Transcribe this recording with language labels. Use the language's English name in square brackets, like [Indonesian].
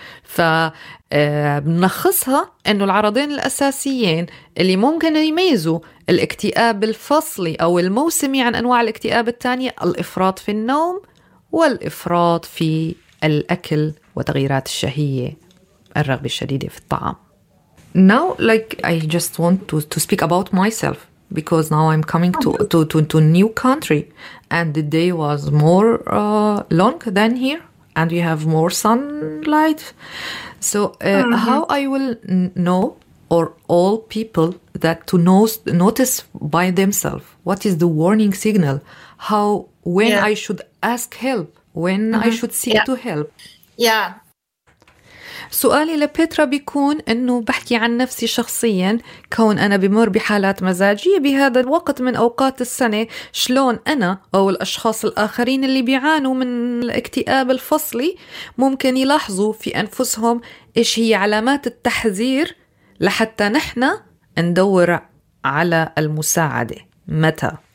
[Arabic] فبنلخصها أنه العرضين الأساسيين اللي ممكن يميزوا الاكتئاب الفصلي أو الموسمي عن أنواع الاكتئاب الثانية الإفراط في النوم والإفراط في الأكل وتغييرات الشهية الرغبة الشديدة في الطعام. [English] Now like I just want to speak about myself, because now I'm coming to new country and the day was more long than here and we have more sunlight. So how I will know, or all people that to notice by themselves, what is the warning signal? When I should ask help, when I should seek to help? Yeah. [Arabic] سؤالي لبيترا بيكون أنه بحكي عن نفسي شخصيا، كون أنا بمر بحالات مزاجية بهذا الوقت من أوقات السنة، شلون أنا أو الأشخاص الآخرين اللي بيعانوا من الاكتئاب الفصلي ممكن يلاحظوا في أنفسهم إيش هي علامات التحذير لحتى نحن ندور على المساعدة متى؟